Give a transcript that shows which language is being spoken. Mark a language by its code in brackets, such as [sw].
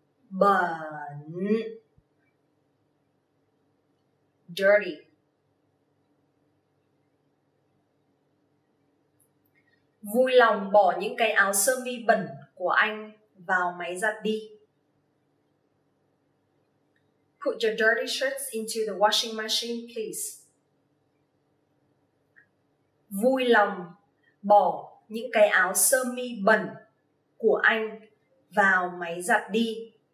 [vi] Bẩn. [en] Dirty. [vi] Vui lòng bỏ những cái áo sơ mi bẩn của anh vào máy giặt đi. [en] Put your dirty shirts into the washing machine, please. [vi] Vui lòng bỏ những cái áo sơ mi bẩn của anh vào máy giặt đi.